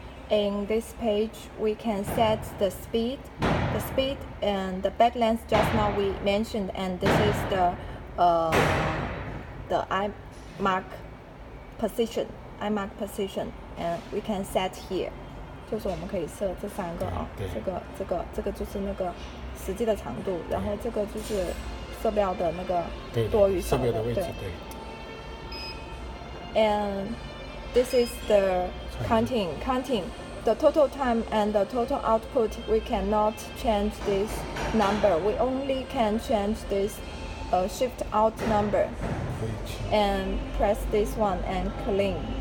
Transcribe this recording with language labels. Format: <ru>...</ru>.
<en>In this page, we can set the speed and the back length. Just now we mentioned, and this is the eye mark position, and we can set here.</en> <zh>就是我们可以设这三个啊、哦，这个就是那个实际的长度，然后这个就是色标的那个多与少的位置。对。</zh> <en>And this is the counting the total time and the total output. We cannot change this number. We only can change this shift out number. And press this one and clean.</en>